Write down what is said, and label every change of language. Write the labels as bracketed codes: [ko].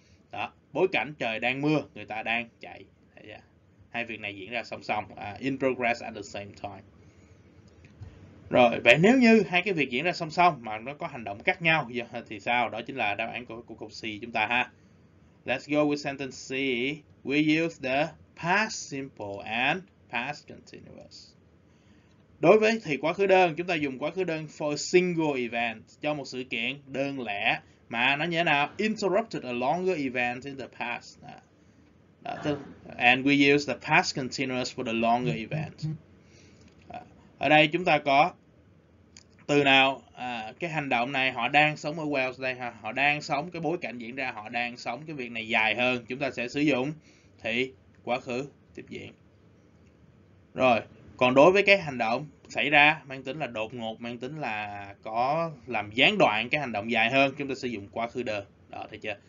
[vi] Đó, bối cảnh trời đang mưa, người ta đang chạy. Yeah. Hai việc này diễn ra song song, [en] in progress at the same time. [vi] Rồi, vậy nếu như hai cái việc diễn ra song song mà nó có hành động khác nhau thì sao? Đó chính là đáp án của câu C chúng ta ha. [en] Let's go with sentence C. We use the past simple and past continuous. [vi] Đối với thì quá khứ đơn, chúng ta dùng quá khứ đơn [en] for a single event, [vi] cho một sự kiện đơn lẻ mà nó như thế nào? [en] Interrupted a longer event in the past. And we use the past continuous for the longer event. [vi] Ở đây chúng ta có từ nào, cái hành động này họ đang sống ở Wales đây ha, họ đang sống, cái bối cảnh diễn ra họ đang sống cái việc này dài hơn, chúng ta sẽ sử dụng thì quá khứ tiếp diễn. Rồi, còn đối với cái hành động xảy ra mang tính là đột ngột, mang tính là có làm gián đoạn cái hành động dài hơn, chúng ta sử dụng quá khứ đơn. Đó, thấy chưa?